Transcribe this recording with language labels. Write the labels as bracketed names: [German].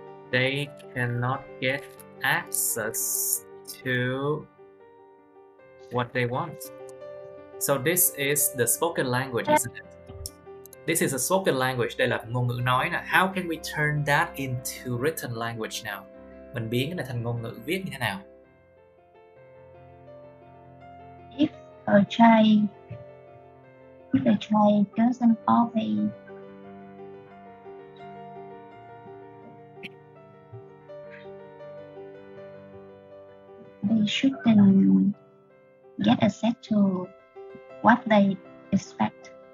[English] They cannot get access to what they want. So this is the spoken language, isn't it? This is a spoken language. [Vietnamese] Đây là ngôn ngữ nói nè. [English] How can we turn that into written language now? [Vietnamese] Mình biến cái này thành ngôn ngữ viết như thế nào? [English] If a child doesn't always they shouldn't get access to what they expect.